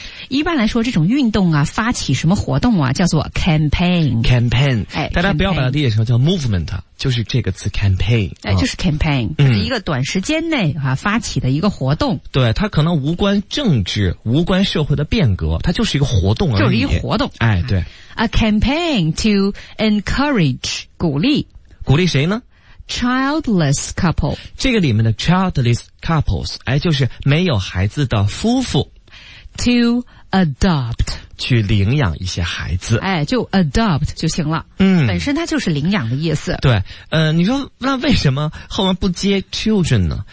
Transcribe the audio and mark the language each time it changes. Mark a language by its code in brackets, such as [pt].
[zh] 一般来说这种运动啊，发起什么活动啊，叫做 campaign。 [en] campaign、哎、 [zh] 大家不要把它理解成叫 movement， 就是这个词 campaign、就是 campaign、是一个短时间内、发起的一个活动。对，它可能无关政治，无关社会的变革，它就是一个活动而已，就是一个活动。哎，对， [en] A campaign to encourage [zh] 鼓励，鼓励谁呢？ [en] Childless couple。 [zh] 这个里面的 childless couples、就是没有孩子的夫妇。 [en] To adopt， [zh] 去领养一些孩子，哎，就 adopt 就行了。嗯，本身它就是领养的意思。对，你说那为什么后面不接 children 呢？